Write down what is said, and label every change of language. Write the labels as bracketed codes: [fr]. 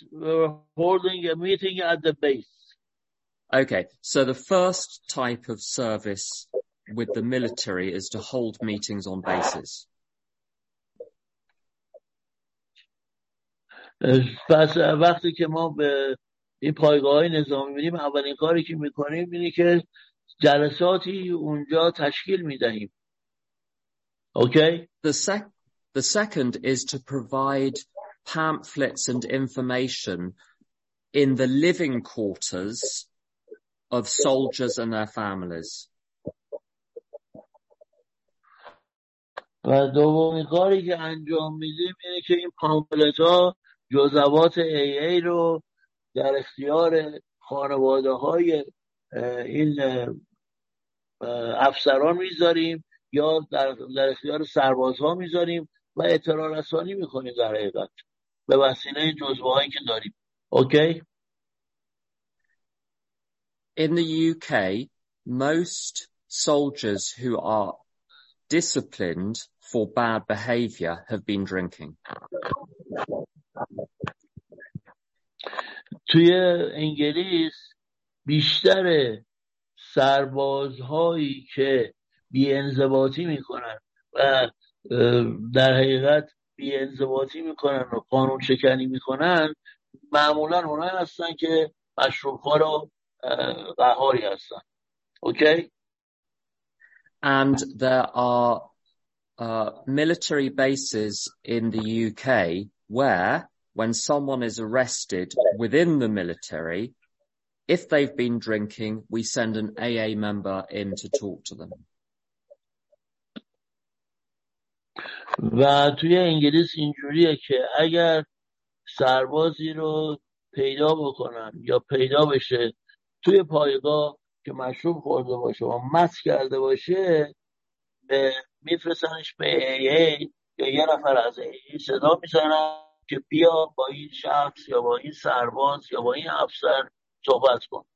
[en] We were holding a meeting at the base. Okay. So the first type of service with the military is to hold meetings on bases. [fa] پس وقتی که ما به این پایگاه‌های نظامی می‌ریم، اولین کاری که می‌کنیم اینه که جلساتی اونجا تشکیل میدهیم. [en] Okay. The second is to provide pamphlets and information in the living quarters of soldiers and their families. [fa] و دومی کاری که انجام میدیم اینه که این پامفلت ها جزوات AA رو در اختیار خانواده های این افسران میذاریم یا در اختیار سربازها میذاریم و اطلاع رسانی میکنیم در حقیقت به وسیله جزوه هایی که داریم. [en] Okay? In the UK, most soldiers who are disciplined for bad behavior have been drinking. [fa] توی انگلیس بیشتر سربازهایی که بی انضباطی میکنن و در حقیقت بی انضباطی میکنن و قانون شکنی میکنن معمولا اونها هستن که مشروبخوار و قهاری هستن. [en] Okay? And there are military bases in the UK where when someone is arrested within the military, if they've been drinking, we send an AA member in to talk to them. [fa] و توی انگلیس اینجوریه که اگر سربازی رو پیدا بکنن یا پیدا بشه توی پایگاه که مشروب خورده باشه و مست کرده باشه به میفرستنش به AA یا یه نفر از AA صدا میزنن که بیا با این شخص یا با این سرباز یا با این افسر صحبت کن.